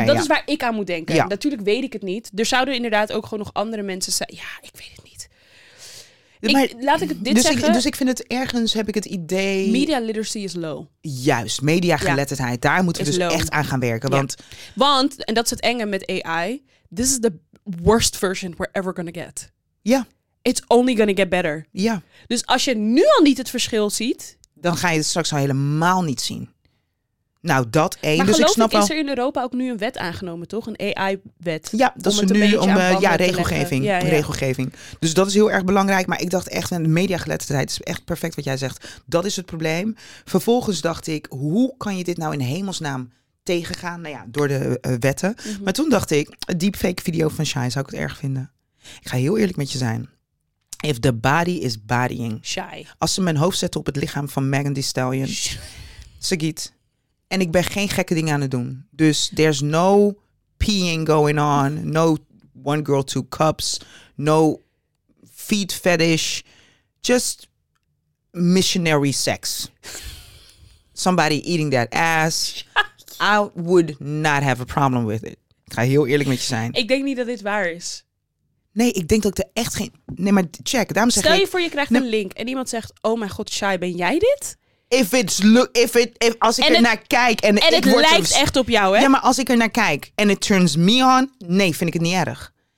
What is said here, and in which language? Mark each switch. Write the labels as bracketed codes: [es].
[nl] Dat is waar ik aan moet denken. Ja. Natuurlijk weet ik het niet. Er zouden inderdaad ook gewoon nog andere mensen zijn. Ja, ik weet het niet. Laat ik dit zeggen. Dus ik vind het ergens, heb ik het idee. [en] Media literacy is low. [nl] Juist, media geletterdheid. Ja. Daar moeten we dus echt aan gaan werken. Want, ja. Want, en dat is het enge met AI. [en] This is the worst version we're ever gonna get. [nl] Ja. [en] It's only gonna get better. [nl] Ja. Dus als je nu al niet het verschil ziet. Dan ga je het straks al helemaal niet zien. Nou, dat één. Maar dus geloof ik snap is er in Europa ook nu een wet aangenomen, toch? Een AI-wet. Ja, dat is nu om regelgeving. Ja, ja. Regelgeving. Dus dat is heel erg belangrijk. Maar ik dacht echt, en de mediageletterdheid is echt perfect wat jij zegt. Dat is het probleem. Vervolgens dacht ik, hoe kan je dit nou in hemelsnaam tegengaan? Nou ja, door de wetten. Mm-hmm. Maar toen dacht ik, een deepfake video van Shai, zou ik het erg vinden? Ik ga heel eerlijk met je zijn. [en] If the body is bodying. [nl] Shai. Als ze mijn hoofd zetten op het lichaam van Megan Thee Stallion. Sagitt. En ik ben geen gekke dingen aan het doen. [en] Dus there's no peeing going on. No one girl, two cups. No feet fetish. Just missionary sex. Somebody eating that ass. I would not have a problem with it. [nl] Ik ga heel eerlijk met je zijn. Ik denk niet dat dit waar is. Nee, ik denk dat ik er echt geen... Nee, maar check. Daarom zeg stel je ik... voor je krijgt een link en iemand zegt... Oh mijn god, Shai, ben jij dit? [en] If it's look, if it, if, [nl] als ik ernaar kijk en het lijkt echt op jou, hè? Ja, maar als ik ernaar kijk en [en] it turns me on, [nl] nee, vind ik het niet erg.